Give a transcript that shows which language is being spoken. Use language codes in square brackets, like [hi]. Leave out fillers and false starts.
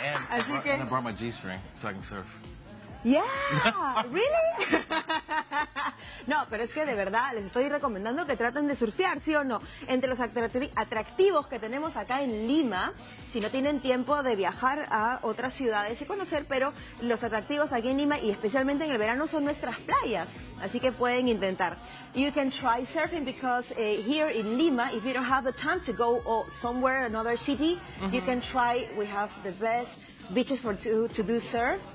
[en] And I brought my G-string so I can surf. Yeah, really? [es] No, pero es que de verdad les estoy recomendando que traten de surfear, ¿sí o no? Entre los atractivos que tenemos acá en Lima, si no tienen tiempo de viajar a otras ciudades y conocer, pero los atractivos aquí en Lima y especialmente en el verano son nuestras playas, así que pueden intentar. [en] You can try surfing because here in Lima, if you don't have the time to go somewhere, another city, mm-hmm. you can try, we have the best beaches for to do surf.